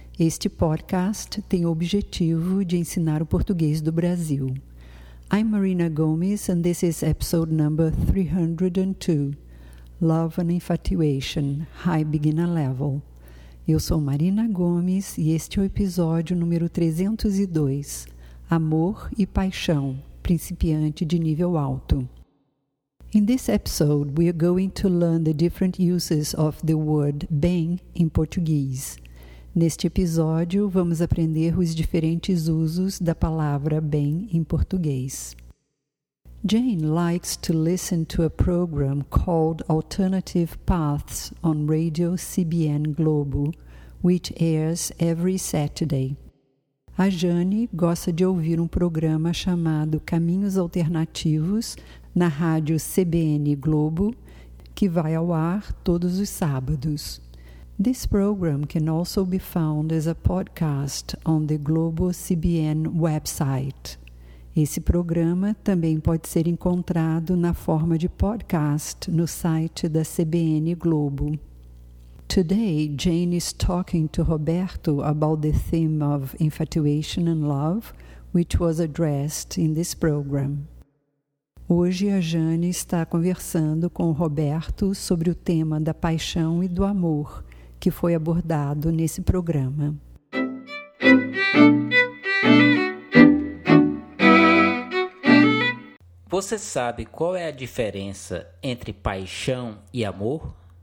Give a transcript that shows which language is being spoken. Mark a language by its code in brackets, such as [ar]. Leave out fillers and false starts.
[pt] Este podcast tem o objetivo de ensinar o português do Brasil. [en] I'm Marina Gomes and this is episode number 302. Love and Infatuation, High Beginner Level. [pt] Eu sou Marina Gomes e este é o episódio número 302. Amor e Paixão. Principiante de nível alto. [en] In this episode, we are going to learn the different uses of the word bem in Portuguese. [pt] Neste episódio, vamos aprender os diferentes usos da palavra bem em português. [en] Jane likes to listen to a program called Alternative Paths on Radio CBN Globo, which airs every Saturday. [pt] A Jane gosta de ouvir um programa chamado Caminhos Alternativos na rádio CBN Globo, que vai ao ar todos os sábados. [en] This program can also be found as a podcast on the Globo CBN website. [pt] Esse programa também pode ser encontrado na forma de podcast no site da CBN Globo. [en] Today, Jane is talking to Roberto about the theme of infatuation and love, which was addressed in this program. [pt] Hoje, a Jane está conversando com o Roberto sobre o tema da paixão e do amor, que foi abordado nesse programa. Você sabe qual é a diferença entre paixão e amor?